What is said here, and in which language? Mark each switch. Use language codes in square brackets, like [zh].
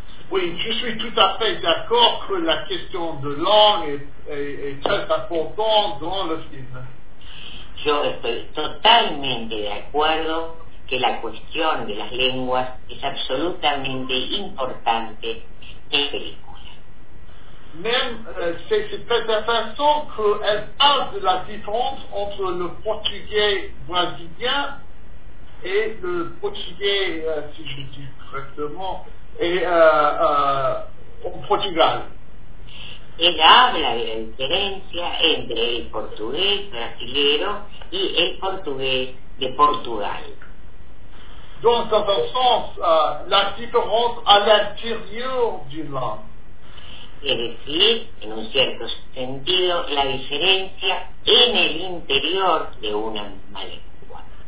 [fr] Oui, je suis tout à fait d'accord que la question de langue est très importante dans le film. [es] Yo estoy totalmente de acuerdo que la cuestión de las lenguas es absolutamente importante en la película. [fr] Même, c'est très intéressant qu'elle parle de la différence entre le portugais brésilien et le portugais, si je dis correctement, en Portugal. [es] Ella habla de la diferencia entre el portugués brasileño y el portugués de Portugal. [fr] Dans un sens, la différence à l'intérieur du langue. [es] Es decir, en un cierto sentido, la diferencia en el interior de una misma lengua.